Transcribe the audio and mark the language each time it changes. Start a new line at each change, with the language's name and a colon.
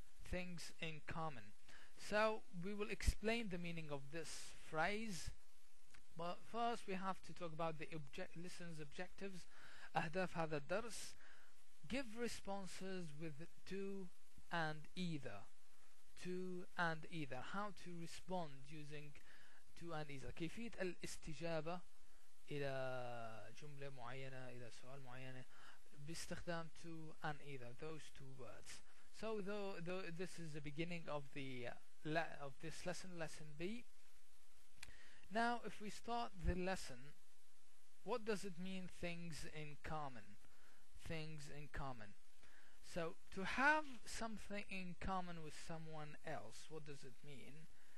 English: Things in Common. So, we will explain the meaning of this phrase. But first, we have to talk about the lesson's objectives.
Arabic: أهداف هذا الدرس.
English: Give responses with to and either. To and either. How to respond using to and either.
Arabic: كيفية الاستجابة إلى جملة معينة, إلى سؤال معينة. باستخدام
English: to and either those two words so though this is the beginning of the of this lesson lesson B now if we start the lesson what does it mean things in common things in common so to have something in common with someone else what does it mean